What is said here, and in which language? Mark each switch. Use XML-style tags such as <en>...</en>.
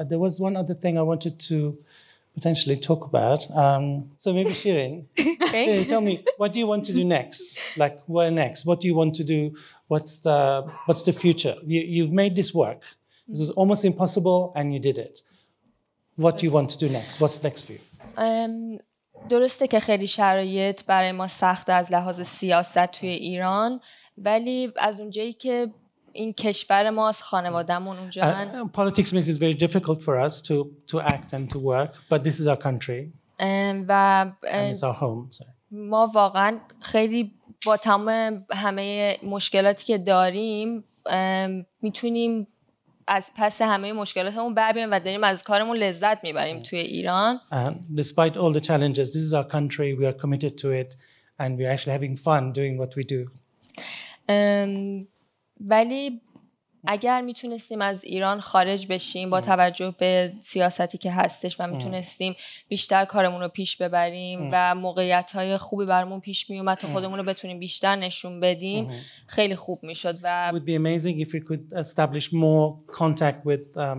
<en>There was one other thing I wanted to potentially talk about. So maybe Shirin, okay. Tell me, what do you want to do next? Like, where next? What do you want to do? What's the future? You've made this work. This was almost impossible, and you did it. What do you want to do next? What's next for you?</en> <fa>درسته که خیلی شرایط برای ما سخته از لحاظ سیاست توی ایران، ولی از اونجایی که این کشور ماست، خانوادهمون اونجا هستن.</fa> <en>Politics makes it very difficult for us to act and to work, but this is our country. And it's our home. Sorry.</en> <fa>ما واقعا خیلی با تمام همه مشکلاتی که داریم میتونیم از پس همه مشکلاتمون بریم و داریم از کارمون لذت میبریم توی ایران.</fa> <en>Despite all the challenges, this is our country, we are committed to it, and we are actually having fun doing what we do.</en> <fa>ولی اگر میتونستیم از ایران خارج بشیم با توجه به سیاستی که هستش و میتونستیم بیشتر کارمون رو پیش ببریم و موقعیت‌های خوبی برامون پیش میومد تا خودمون رو بتونیم بیشتر نشون بدیم خیلی خوب میشد و</fa> <en>would be amazing if we could establish more contact with</en>